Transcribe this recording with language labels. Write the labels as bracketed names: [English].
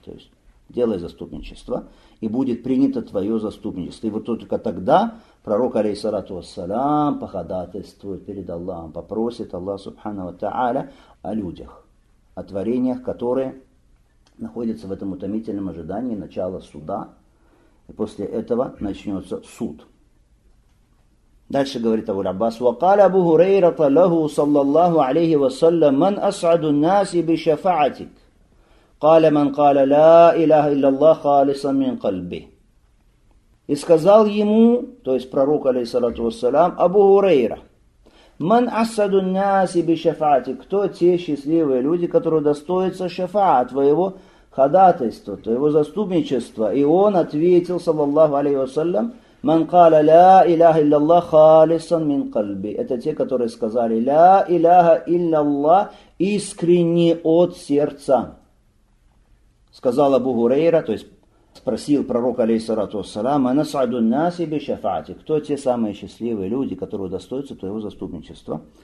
[Russian] То есть делай заступничество, и будет принято твое заступничество. И вот только тогда пророк, алейхиссалату вассалям, походатайствует перед Аллахом, попросит Аллах субхана ва та'аля о людях, о творениях, которые находятся в этом утомительном ожидании начала суда. И после этого начнется суд. Дальше говорит Абу-Аббас: [Arabic] وقال أبو هريرة له صلى الله عليه وسلم من أسعد الناس بشفاعتك قال من قال لا إله إلا الله خالصا من قلبه. [Russian] И сказал ему, то есть пророк, алейхиссалату вассалям, Абу Хурейра: [Arabic] من أسعد الناس بشفاعتك, [Russian] кто те счастливые люди, которые достоятся шафаа, твоего ходатайства, твоего заступничества? И он ответил, саллаллаху алейхи вассалям: [Arabic] من قال لا إله إلا الله خالصا من قلبي. [Russian] Это те, которые сказали [Arabic] لا إله إلا الله [Russian] искренне от сердца. сказал Абу Гурейра, то есть спросил пророк, алейхиссалату вассалам, [Arabic] «Анасаду ан-наси бишафаати?» [Russian] «Кто те самые счастливые люди, которые удостоятся твоего заступничества?»